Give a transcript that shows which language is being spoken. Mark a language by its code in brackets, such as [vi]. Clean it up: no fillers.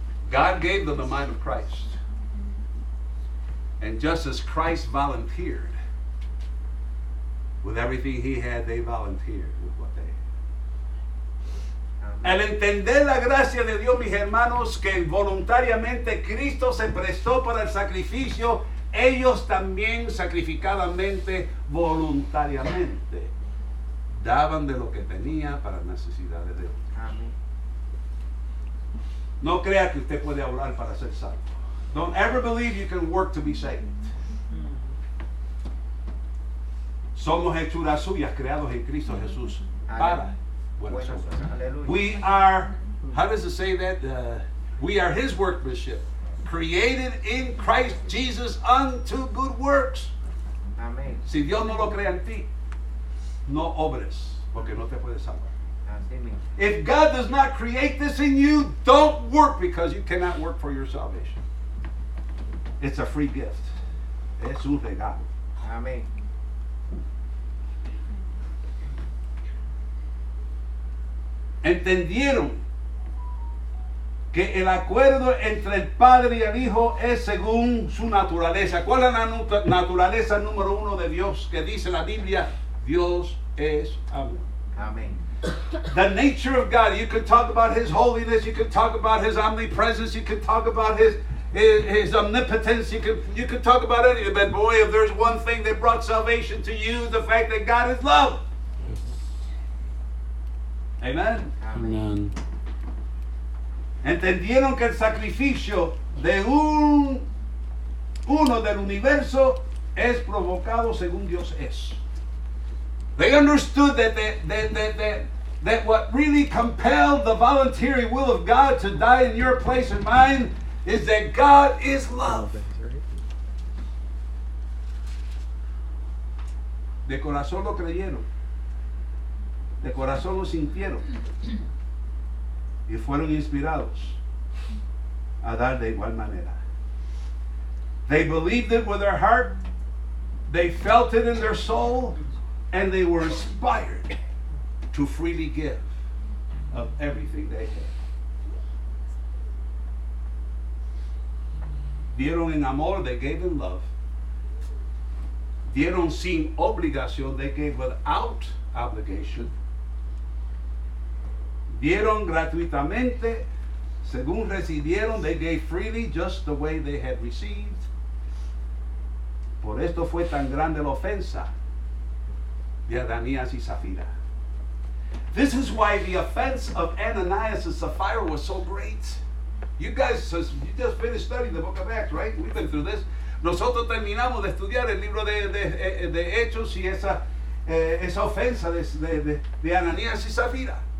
[en] God gave them the mind of Christ. And just as Christ volunteered with everything he had, they volunteered with what they had. [es] Al entender la gracia de Dios, mis hermanos, que voluntariamente Cristo se prestó para el sacrificio, ellos también sacrificadamente, voluntariamente, daban de lo que tenía para necesidades de otros. Amén. No crea que usted puede hablar para ser salvo. [en] Don't ever believe you can work to be saved. [es] Somos hechuras suyas, creados en Cristo Jesús para buenas obras. [en] We are, how does it say that? We are his workmanship, created in Christ Jesus unto good works. [es] Amén. Si Dios no lo crea en ti, no obres, porque no te puedes salvar. [en] If God does not create this in you, don't work, because you cannot work for your salvation. It's a free gift. [es] Es un regalo. Amén. Entendieron que el acuerdo entre el Padre y el Hijo es según su naturaleza. ¿Cuál es la naturaleza número uno de Dios? Que dice la Biblia, Dios es amor. Amén. [en] The nature of God. You can talk about his holiness. You can talk about his omnipresence. You can talk about his omnipotence. You can talk about anything. But boy, if there's one thing that brought salvation to you, the fact that God is love. Amen. Amen. [es] Entendieron que el sacrificio de uno del universo es provocado según Dios es. [en] They understood that what really compelled the voluntary will of God to die in your place and mine is that God is love. [es] De corazón lo creyeron. De corazón lo sintieron. Y fueron inspirados a dar de igual manera. [en] They believed it with their heart. They felt it in their soul. And they were inspired to freely give of everything they had. [es] Dieron en amor, [en] they gave in love. [es] Dieron sin obligación, [en] they gave without obligation. [es] Dieron gratuitamente, según recibieron, [en] they gave freely, just the way they had received. [es] Por esto fue tan grande la ofensa de Ananias y Safira. [en] This is why the offense of Ananias and Sapphira was so great. You guys, you just finished studying the book of Acts, right? We've been through this. [es] Nosotros terminamos de estudiar el libro de Hechos y esa ofensa de Ananias y Safira.